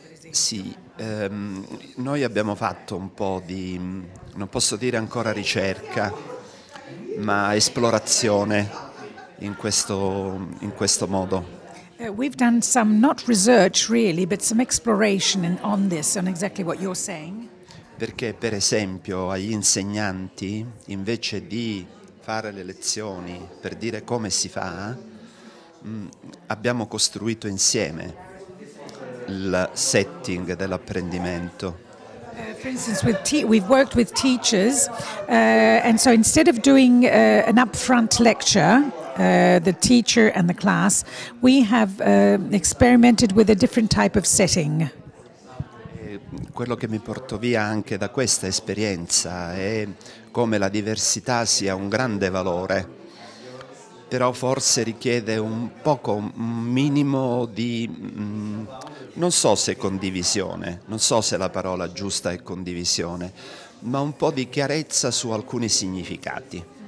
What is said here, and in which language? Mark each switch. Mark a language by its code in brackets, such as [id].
[it] Sì, noi abbiamo fatto un po' di, non posso dire ancora ricerca, ma esplorazione in questo modo. [en] We've done some not research really, but some exploration in, on this, on exactly what you're saying. [it] Perché, per esempio, agli insegnanti, invece di fare le lezioni per dire come si fa, abbiamo costruito insieme il setting dell'apprendimento. [en] For instance, we've worked with teachers, and so instead of doing an upfront lecture, the teacher and the class, we have experimented with a different type of setting. [it] Quello che mi porto via anche da questa esperienza è come la diversità sia un grande valore, però forse richiede un poco, un minimo di, non so se condivisione, non so se la parola giusta è condivisione, ma un po' di chiarezza su alcuni significati.